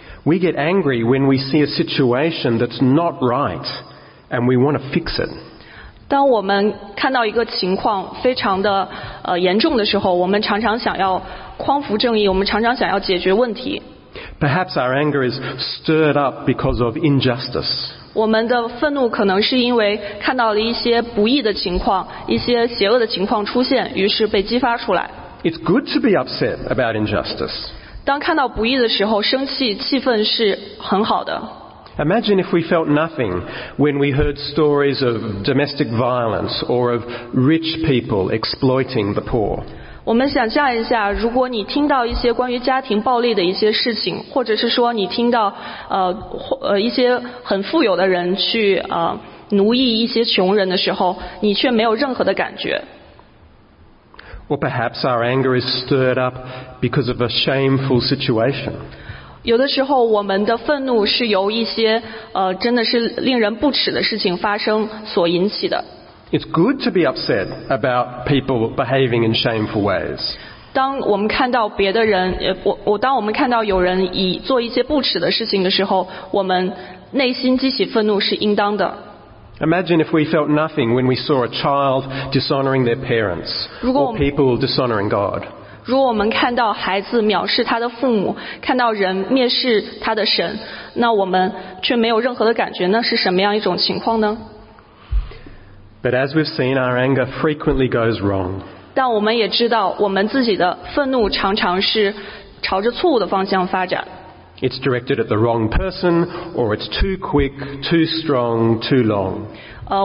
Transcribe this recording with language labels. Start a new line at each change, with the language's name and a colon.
English: We get angry when we see a situation that's not right, and we want to fix it.
Chinese: 当我们看到一个情况非常的严重的时候，我们常常想要匡扶正义，我们常常想要解决问题。
English: Perhaps our anger is stirred up because of injustice.
Chinese: 我们的愤怒可能是因为看到了一些不义的情况，一些邪恶的情况出现，于是被激发出来。
English: It's good to be upset about injustice.
Chinese: 当看到不义的时候，生气，气愤是很好的。
English: Imagine if we felt nothing when we heard stories of domestic violence or of rich people exploiting the poor.
Chinese: 我们想象一下，如果你听到一些关于家庭暴力的一些事情，或者是说你听到一些很富有的人去奴役一些穷人的时候，你却没有任何的感觉。
English: Well, perhaps our anger is stirred up because of a shameful situation.
Chinese: 有的时候，我们的愤怒是由一些真的是令人不耻的事情发生所引起的。
English: It's good to be upset about people behaving in shameful ways.
Chinese: 当我们看到别的人，当我们看到有人以做一些不耻的事情的时候，我们内心激起愤怒是应当的。
English: Imagine if we felt nothing when we saw a child dishonoring their parents or people dishonoring God.
Chinese: 如果我们看到孩子藐视他的父母，看到人蔑视他的神，那我们却没有任何的感觉，那是什么样一种情况呢？
English: But as we've seen, our anger frequently goes wrong.
Chinese: 但我们也知道，我们自己的愤怒常常是朝着错误的方向发展。
English: It's directed at the wrong person, or it's too quick, too strong, too long.